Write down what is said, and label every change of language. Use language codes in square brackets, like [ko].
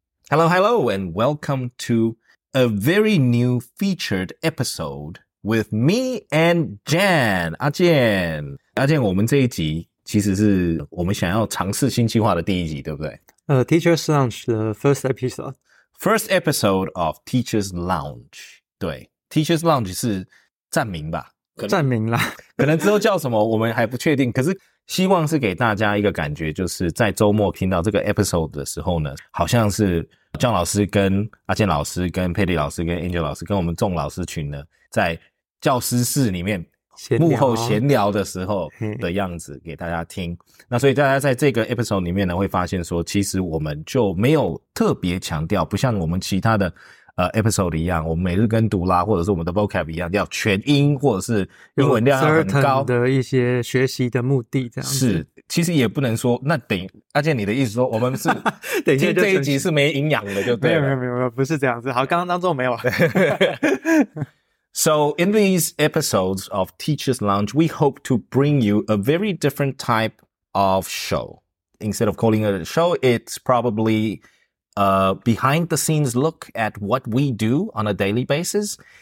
[en] Hello, hello, and welcome to a very new featured episode with me and Jan, 阿健。 [zh] 阿健，我们这一集其实是我们想要尝试新计划的第一集，对不对？ [en] Teacher's Lounge 的 first episode. First episode of Teacher's Lounge. 对 ,Teacher's Lounge [zh] 是暂名吧。暂名啦。可能之后叫什么我们还不确定，可是希望是给大家一个感觉，就是在周末听到这个 episode 的时候呢，好像是 John 老师跟阿健老师跟佩蒂老师跟 Angel 老师跟我们众老师群呢，在教师室里面幕后闲聊的时候的样子给大家听。那所以大家在这个 episode 里面呢，会发现说其实我们就没有特别强调，不像我们其他的episode 一样，我们每日跟读啦，或者是我们的 vocab 一样，要全英或者是英文量很高的一些学习的目的，这样子是。其实也不能说，那等阿健，你的意思说我们是等一下这一集是没营养的，就对了。没有，不是这样子。好，刚刚当中没有。 [en] So in these episodes of Teacher's Lounge, we hope to bring you a very different type of show. Instead of calling it a show, it's probably. Behind the scenes look at what we do on a daily basis.